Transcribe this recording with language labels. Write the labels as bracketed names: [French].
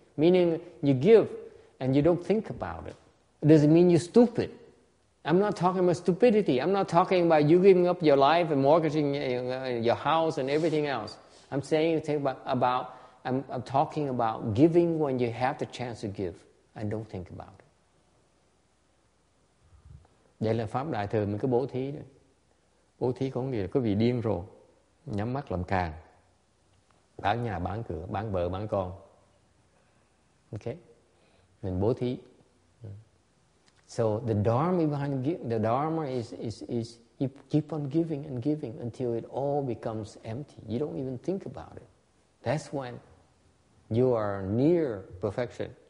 [English] Meaning you give and you don't think about it. It doesn't mean you're stupid. I'm not talking about stupidity. I'm not talking about you giving up your life and mortgaging your house and everything else. I'm saying I'm talking about giving when you have the chance to give and don't think about it. [Vietnamese] Vậy là pháp đại thừa mình cứ bố thí đấy. Bố thí có nghĩa là quý vị điên rồi, nhắm mắt làm càn, bán nhà bán cửa, bán vợ bán con. Ok, mình bố thí. [English] So the dharma behind the dharma is you keep on giving and giving until it all becomes empty. You don't even think about it. That's when you are near perfection.